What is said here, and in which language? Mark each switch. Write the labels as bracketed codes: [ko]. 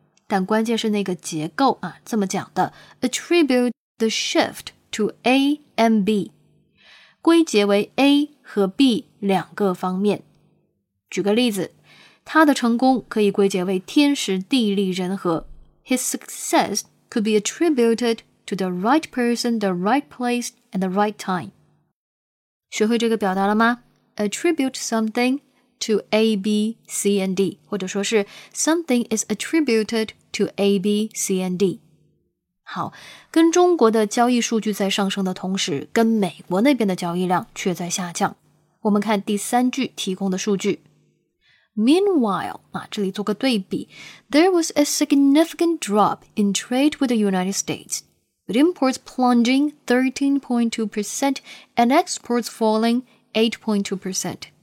[zh] 但关键是那个结构这么讲的 attribute the shift to A and B，归结为 A 和 B 两个方面。举个例子，他的成功可以归结为天时地利人和。 [en] His success could be attributed to the right person, the right place, and the right time. [zh] 学会这个表达了吗？ [en] Attribute something to A, B, C, and D. 或者说是 something is attributed to A, B, C, and D. [zh] 好，跟中国的交易数据在上升的同时，跟美国那边的交易量却在下降。我们看第三句提供的数据。 [en] Meanwhile, 这里做个对比， there was a significant drop in trade with the United States, with imports plunging 13.2% and exports falling 8.2%.